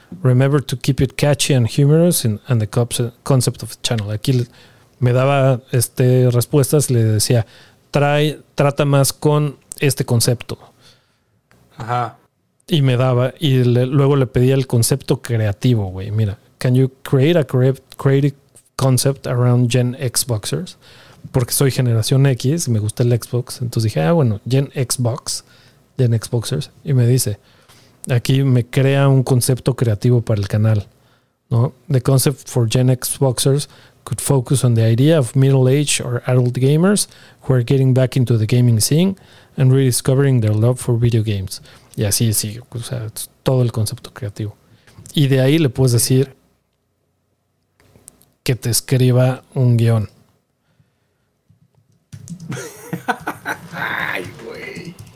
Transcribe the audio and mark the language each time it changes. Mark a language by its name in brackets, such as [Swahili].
[English] Remember to keep it catchy and humorous and the concept of the channel. [Spanish] Aquí me daba respuestas, le decía, trata más con este concepto. Ajá. Y me daba, y luego le pedía el concepto creativo, güey. [English] Mira, can you create a creative concept around Gen Xboxers? [Spanish] Porque soy generación X y me gusta el Xbox. Entonces dije, bueno, Gen Xboxers. Y me dice... Aquí me crea un concepto creativo para el canal. ¿no? [English] The concept for Gen Xboxers could focus on the idea of middle-aged or adult gamers who are getting back into the gaming scene and rediscovering their love for video games. [Spanish] Y así sigue. O sea, es todo el concepto creativo. Y de ahí le puedes decir que te escriba un guión. Ay, güey.